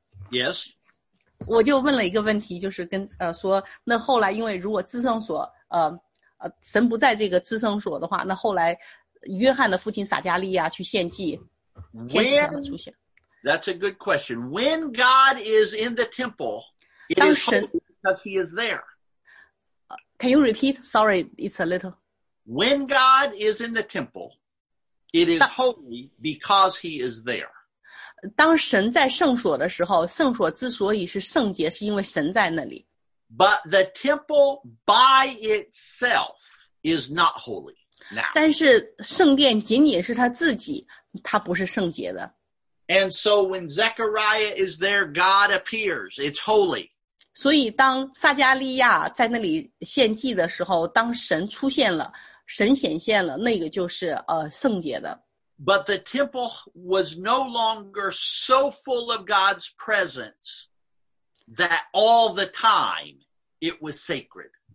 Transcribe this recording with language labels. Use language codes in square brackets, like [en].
[en] Yes. [zh] 我就问了一个问题，就是跟说那后来因为如果至圣所神不在这个至圣所的话，那后来约翰的父亲撒迦利亚去献祭，天使怎么出现？ [en] That's a good question. When God is in the temple. It is because he is there. Can you repeat? Sorry, it's a little. When God is in the temple, it is holy because he is there. [zh] 当神在圣所的时候，圣所之所以是圣洁，是因为神在那里。 [en] But the temple by itself is not holy. Now. [zh] 但是圣殿仅仅是他自己，他不是圣洁的。 [en] And so when Zechariah is there, God appears. It's holy. [zh] 所以当撒迦利亚在那里献祭的时候，当神出现了，神显现了，那个就是圣洁的。 [en] But the temple was no longer so full of God's presence that all the time it was sacred.